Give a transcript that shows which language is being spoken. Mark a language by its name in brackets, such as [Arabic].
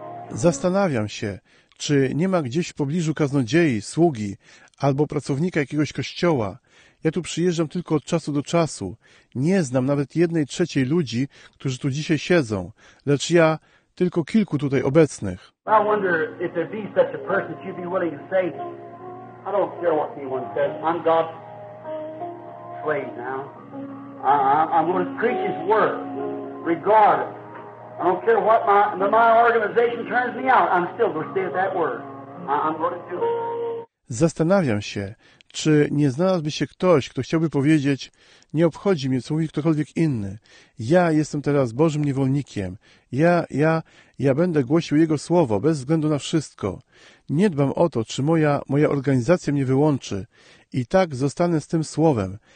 [Polish] Zastanawiam się, czy nie ma gdzieś w pobliżu kaznodziei, sługi albo pracownika jakiegoś kościoła, Ja tu przyjeżdżam tylko od czasu do czasu. Nie znam nawet jednej trzeciej ludzi, którzy tu dzisiaj siedzą, lecz ja tylko kilku tutaj obecnych. [English] I wonder if there be such a person that you'd be willing to say, I don't care what anyone says, I'm God's slave now. I'm going to preach His word, regardless. I don't care what my organization turns me out, I'm still going to stay at that word. I'm going to do it. [Polish] Zastanawiam się, czy nie znalazłby się ktoś, kto chciałby powiedzieć, nie obchodzi mnie, co mówi ktokolwiek inny. Ja jestem teraz Bożym niewolnikiem. Ja będę głosił Jego słowo bez względu na wszystko. Nie dbam o to, czy moja organizacja mnie wyłączy. I tak zostanę z tym słowem.